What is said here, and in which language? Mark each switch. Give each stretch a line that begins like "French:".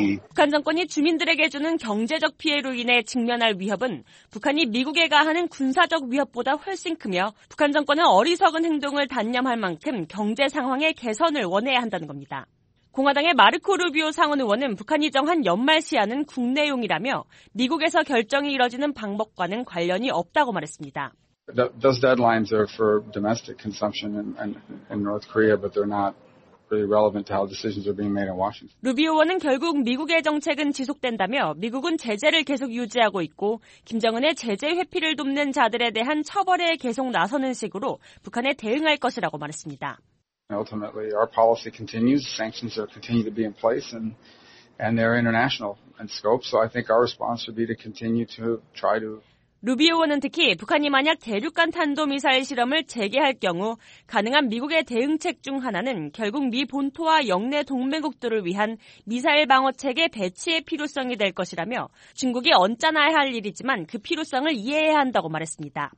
Korean: 북한 정권이 주민들에게 주는 경제적 피해로 인해 직면할 위협은 북한이 미국에 가하는 군사적 위협보다 훨씬 크며 북한 정권은 어리석은 행동을 단념할 만큼 경제 상황의 개선을 원해야 한다는 겁니다. 공화당의 마르코 루비오 상원 의원은 북한이 정한 연말 시한은 국내용이라며 미국에서 결정이 이뤄지는 방법과는 관련이 없다고 말했습니다.
English: Those deadlines are for domestic consumption in North Korea, but they're not really relevant to how decisions are being made in Washington.
Korean: 루비오 의원은 결국 미국의 정책은 지속된다며 미국은 제재를 계속 유지하고 있고 김정은의 제재 회피를 돕는 자들에 대한 처벌에 계속 나서는 식으로 북한에 대응할 것이라고 말했습니다.
English: Ultimately, our policy continues. Sanctions are continue to be in place, and they're international in scope. So I think our response would be to continue to try to.
Korean: 루비오 의원은 특히 북한이 만약 대륙간 탄도미사일 실험을 재개할 경우 가능한 미국의 대응책 중 하나는 결국 미 본토와 영내 동맹국들을 위한 미사일 방어책의 배치의 필요성이 될 것이라며 중국이 언짢아야 할 일이지만 그 필요성을 이해해야 한다고 말했습니다.